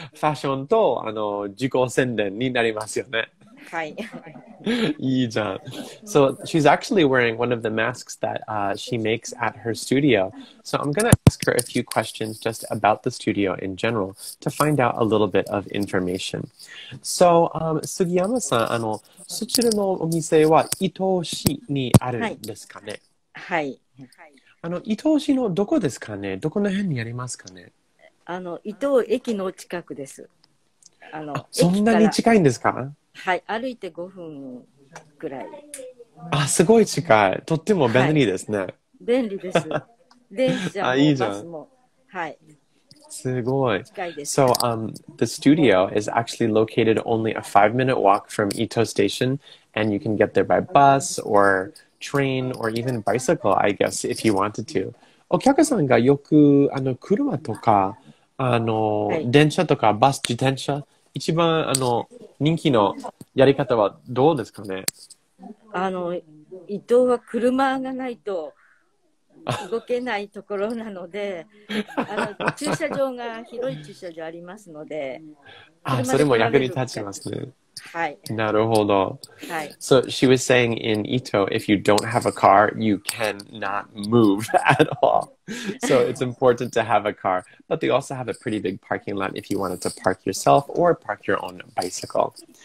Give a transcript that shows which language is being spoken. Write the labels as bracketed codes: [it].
[ja] ファッションと自己宣伝になりますよね。はい。いいじゃん。 [en] So, she's actually wearing one of the masks that she makes at her studio. So, I'm going to ask her a few questions just about the studio in general to find out a little bit of information. [ja] So, 杉山さん、そちらのお店は伊東市にあるんですかね、はいはい、伊東市のどこですかね、どこの辺にありますかね。伊東駅の近くです。そんなに近いんですか。はい、歩いて5分くらい。あ、すごい近い。とっても便利ですね、はい、便利です。電車もバスも、はい、すごい。 [en] So, the studio is actually located only a 5-minute walk from Ito Station, and you can get there by bus or train or even bicycle, I guess, if you wanted to. [ja] お客さんがよく車とか電車とかバス、自転車、一番人気のやり方はどうですかね。伊東は車がないと動けないところなので、駐車場が広い駐車場ありますので、あ、それも役に立ちますね。はい。なるほど。はい。 [en] So she was saying in Ito, if you don't have a car, you cannot move at all. So it's important to have a car. But they also have a pretty big parking lot if you wanted to park yourself or park your own bicycle.